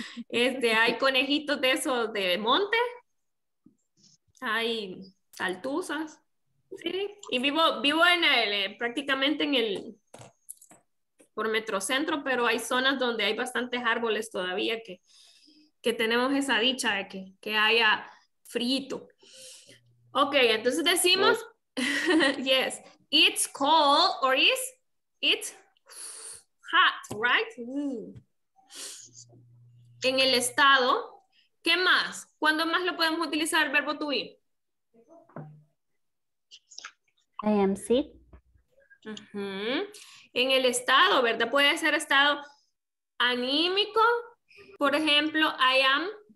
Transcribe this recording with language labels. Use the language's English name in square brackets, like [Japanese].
[Spanish] hay conejitos de esos de monte. Hay altuzas. Sí, y vivo en el, prácticamente en el, por Metrocentro, pero hay zonas donde hay bastantes árboles todavía que tenemos esa dicha de que haya frito. [English] Ok, [Spanish] entonces decimos, [English] yes, it's cold or it's hot, right? [Spanish] En el estado, ¿qué más? ¿Cuándo más lo podemos utilizar el verbo to be? [English] I am sick. [Spanish] En el estado, ¿verdad? Puede ser estado anímico. Por ejemplo, [English] I am